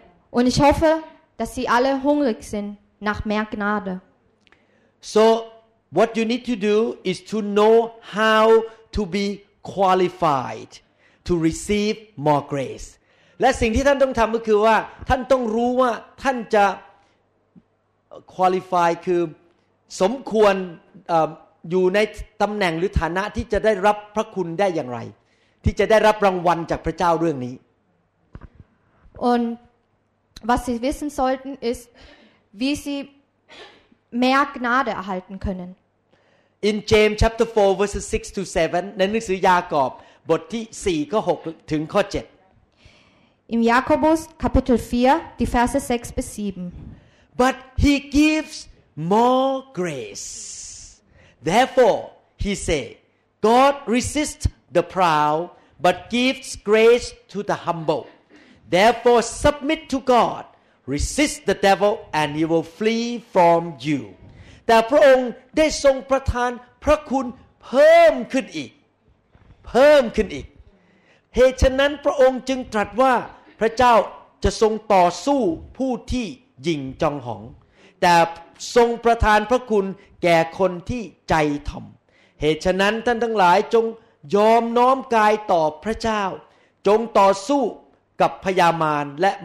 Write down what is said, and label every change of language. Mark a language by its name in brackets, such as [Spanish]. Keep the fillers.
[German] Und ich hoffe, dass sie alle hungrig sind nach mehr Gnade. [English] So, what you need to do is to know how to be qualified to receive more grace. [Thai] และสิ่งที่ท่านต้องทำก็คือว่าท่านต้องรู้ว่าท่านจะ qualify คือสมควรออยู่ในตำแหน่งหรือฐานะที่จะได้รับพระคุณได้อย่างไร ที่จะได้รับรางวัลจากพระเจ้าเรื่องนี้ [German] Und Was sie wissen sollten, ist, wie sie mehr Gnade erhalten können. [English] In James chapter 4 verses 6 to 7, [Thai] ในหนังสือยากอบบทที่4ข้อ6ถึงข้อ7 [German] In Jakobus Kapitel 4, die Verse 6 bis 7. [English] But he gives more grace. Therefore, he said, God resists the proud, but gives grace to the humble. therefore submit to God resist the devil and he will flee from you [Thai] แต่พระองค์ได้ทรงประทานพระคุณเพิ่มขึ้นอีก เพิ่มขึ้นอีก เหตุฉะนั้นพระองค์จึงตรัสว่า พระเจ้าจะทรงต่อสู้ผู้ที่ยิงจองหอง แต่ทรงประทานพระคุณแก่คนที่ใจถ่อมเหตุฉะนั้นท่านทั้งหลายจงยอมน้อมกายต่อพระเจ้า จงต่อสู้ Pfayaman,